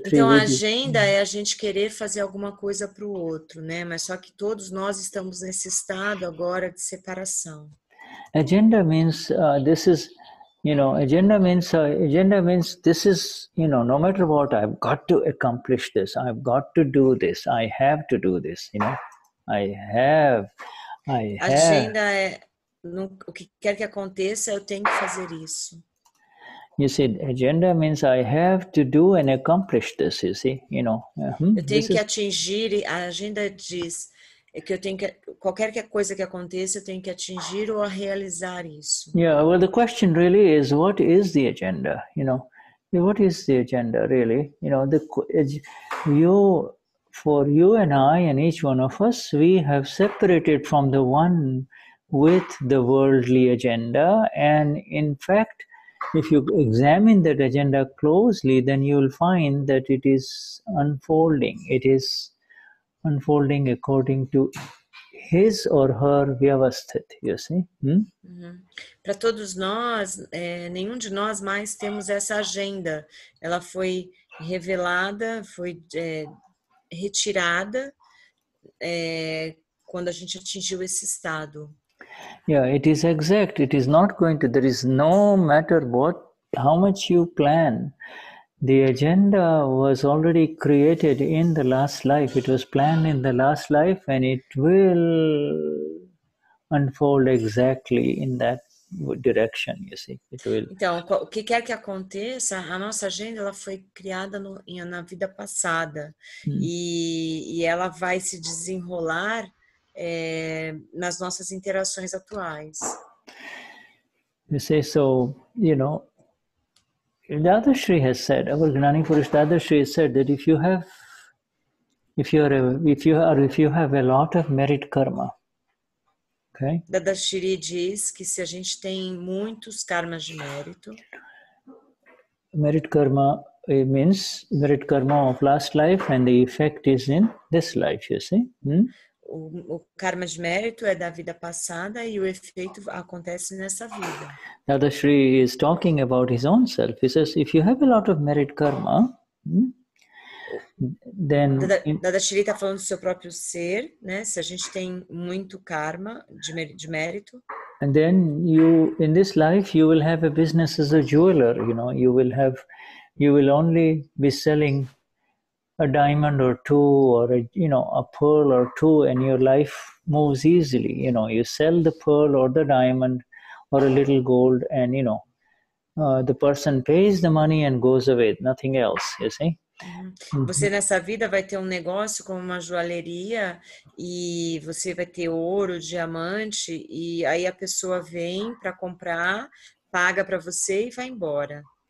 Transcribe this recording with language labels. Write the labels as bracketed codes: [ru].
[pt] Então, a agenda é a gente querer fazer alguma coisa para o outro, né? Mas só que todos nós estamos nesse estado agora de separação. [en] Agenda means this is, you know, agenda means this is, you know, no matter what, I've got to accomplish this. I've got to do this. I have to do this, you know? I have. [pt] Agenda é, no, o que quer que aconteça, eu tenho que fazer isso. [en] You see, agenda means I have to do and accomplish this, you see, you know. Uh-huh. [pt] Eu tenho que atingir, a agenda diz que eu tenho que, qualquer coisa que aconteça, eu tenho que atingir ou realizar isso. [en] Yeah, well, the question really is, what is the agenda, you know? What is the agenda, really? You know, for you and I and each one of us, we have separated from the one with the worldly agenda, and in fact, if you examine that agenda closely, then you will find that it is unfolding. It is unfolding according to his or her vyavasthit, you see? [pt] Para todos nós, nenhum de nós mais temos essa agenda. Ela foi revelada, foi retirada quando a gente atingiu esse estado. [en] Yeah, it is exact. It is not going to, there is no matter what, how much you plan. The agenda was already created in the last life. It was planned in the last life and it will unfold exactly in that direction, you see. It will. [pt] Então, o que quer que aconteça, a nossa agenda ela foi criada no, na vida passada. E ela vai se desenrolar nas nossas interações atuais. [en] You see, so, you know, Dadashri has said, our Gnani Purush Dadashri has said that if you have a lot of merit karma, okay? [pt] Dadashri diz que se a gente tem muitos karmas de mérito, [en] merit karma means merit karma of last life and the effect is in this life, you see? [pt] O karma de mérito é da vida passada e o efeito acontece nessa vida. [en] Dadashri is talking about his own self. He says, if you have a lot of merit karma, then... [pt] Dadashri está falando do seu próprio ser, né? Se a gente tem muito karma de mérito. [en] And then, you, in this life, you will have a business as a jeweler, you know. You will only be selling a diamond or two, or a, you know, a pearl or two, and your life moves easily. You know, you sell the pearl or the diamond or a little gold, and you know, the person pays the money and goes away, nothing else, you see. [pt] Você nessa vida vai ter negócio como uma joalheria, e você vai ter ouro, diamante, e aí a pessoa vem para comprar, paga para você e vai embora.